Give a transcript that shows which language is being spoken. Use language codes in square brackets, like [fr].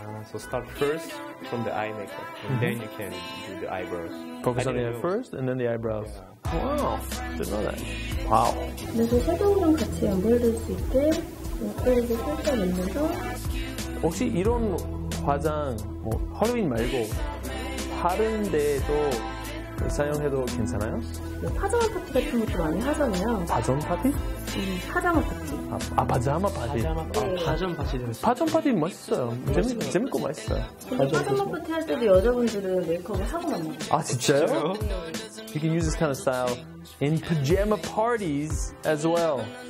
[en] So start first from the eye makeup, and then you can do the eyebrows. Focus on the eye first, and then the eyebrows. Yeah. Wow, didn't know that. Wow. [ko] 근데 저 섀도우랑 같이 연결될 수 있게 옷걸이도 살짝 만들어서. 혹시 이런 화장 뭐 할로윈 말고 다른 데에도 사용해도 괜찮아요? 파자마 파티 같은 것도 많이 하잖아요. 바전 파티? 파자마 파티. 바자마 파티. 파전 파티. 파전 파티 멋있어요. 재밌고 맛있어요. 파자마 파티 할 때도 여자분들은 메이크업을 하고 만나요. 아, 진짜요? [en] You can use this kind of style in pajama parties as well.